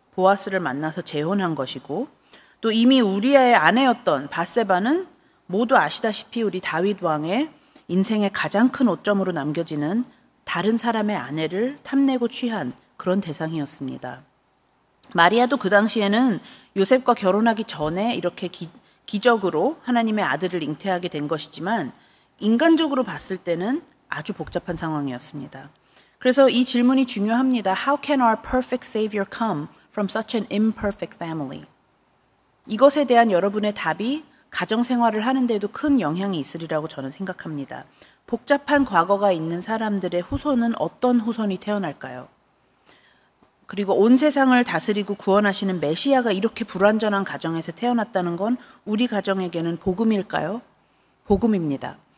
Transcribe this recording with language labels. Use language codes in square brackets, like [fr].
[ko] 보아스를 만나서 재혼한 것이고 또 이미 우리아의 아내였던 바세바는 모두 아시다시피 우리 다윗 왕의 인생의 가장 큰 오점으로 남겨지는 다른 사람의 아내를 탐내고 취한 그런 대상이었습니다. 마리아도 그 당시에는 요셉과 결혼하기 전에 이렇게 기적으로 하나님의 아들을 잉태하게 된 것이지만 인간적으로 봤을 때는 아주 복잡한 상황이었습니다. 그래서 이 질문이 중요합니다. [en] How can our perfect savior come from such an imperfect family? [ko] 이것에 대한 여러분의 답이 가정생활을 하는데도 큰 영향이 있으리라고 저는 생각합니다. 복잡한 과거가 있는 사람들의 후손은 어떤 후손이 태어날까요? 그리고 온 세상을 다스리고 구원하시는 메시아가 이렇게 불완전한 가정에서 태어났다는 건 우리 가정에게는 복음일까요? 복음입니다.